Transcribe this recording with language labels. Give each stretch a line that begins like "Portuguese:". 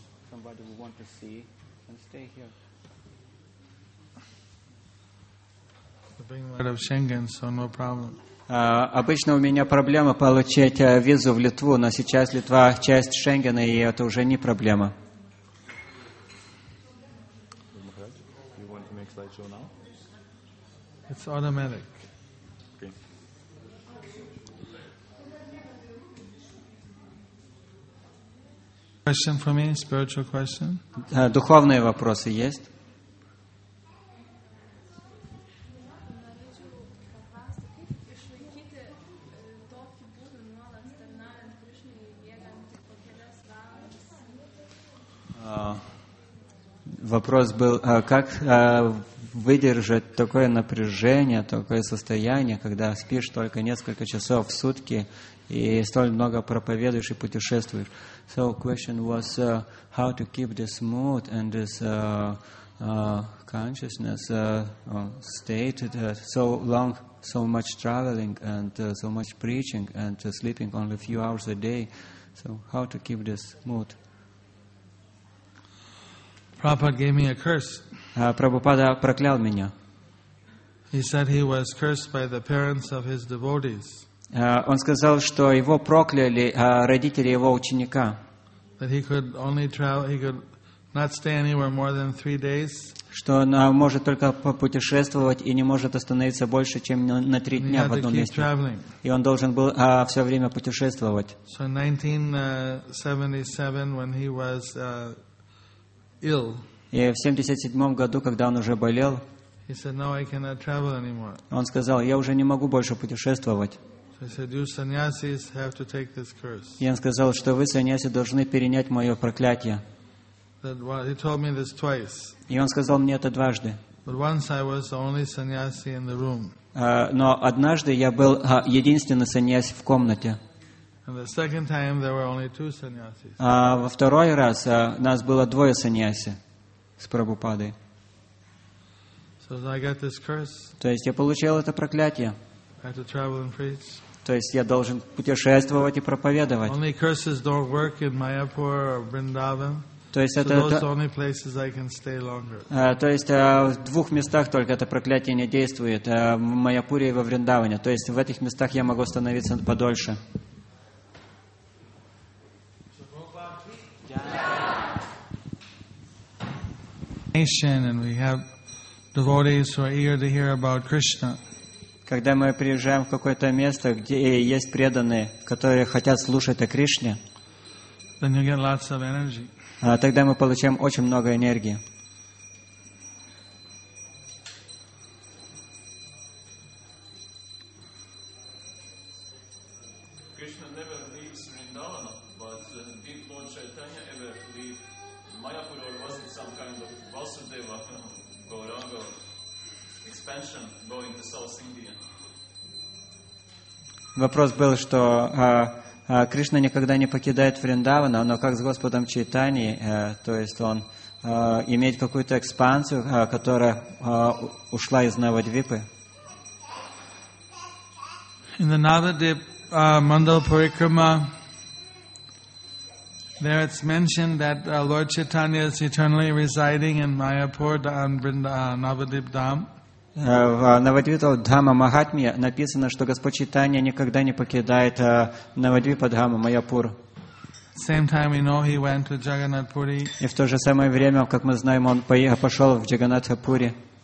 English: Somebody who wants to see and stay here. The being part of Schengen, so no problem.
Russian: Обычно у меня проблема получить визу в Литву, но сейчас Литва часть Шенгена, и это уже не проблема.
English: You want to make slideshow now? It's automatic. Okay. Question for me, spiritual question?
Russian: Духовные вопросы есть? Вопрос был, как выдержать такое напряжение, такое состояние, когда спишь только несколько часов в сутки и столь много проповедуешь и путешествуешь.
English: So question was how to keep this mood and this consciousness state that so long, so much traveling and so much preaching and sleeping only a few hours a day. So how to keep this mood? Prabhupada gave me a curse.
Russian: Prabhupada проклял меня.
English: He said he was cursed by the parents of his devotees.
Russian: Он сказал, что его прокляли родители его ученика.
English: That he could only travel, he could not stay anywhere more than 3 days.
Russian: Что он может только путешествовать и не может остановиться больше, чем на 3 дня в одном месте. И он должен был все время путешествовать.
English: So in 1977, when he was ill.
Russian: И в 77 году, когда он уже болел,
English: he said, "No, I cannot travel anymore."
Russian: Он сказал, я уже не могу больше путешествовать.
English: So he said, "You sannyasis have to take this curse."
Russian: И он сказал, что вы, саньяси, должны перенять мое проклятие.
English: That, well, he told me this twice.
Russian: И он сказал мне это дважды.
English: But once I was the only sannyasi in the room.
Russian: Но однажды я был единственный саньяси в комнате.
English: And the second time there were only 2 sannyasis.
Russian: А во второй раз нас было 2 саньяси с Прабхупадой.
English: So I got this curse.
Russian: То есть я получил это проклятие.
English: I had to travel and preach.
Russian: То есть я должен путешествовать и проповедовать.
English: Only curses don't work in Mayapur or Vrindavan.
Russian: То есть
English: so
Russian: это
English: those are only places I can stay longer.
Russian: То есть в двух местах только это проклятие не действует, в Майяпуре и во Вриндаване. То есть в этих местах я могу становиться подольше.
English: And we have devotees who are eager to hear about Krishna.
Russian: Когда мы приезжаем в какое-то место, где есть преданные, которые хотят слушать о Кришне,
English: then you get lots of energy.
Russian: Тогда мы получаем очень много энергии. Вопрос был, что Кришна никогда не покидает Вриндавана, но как с Господом Чайтани, то есть он имеет какую-то экспансию, которая ушла из Навадвипы.
English: In the Navadip, Mandal Parikrama, there it's mentioned that Lord Chaitanya is eternally residing in Mayapur on Navadip Dham.
Russian: В Навадвипа Дхама Махатме написано, что Господь Чайтанья никогда не покидает Навадвипа Дхама Майяпур. И в то же самое время, как мы знаем, он пошел в Джаганатхапури.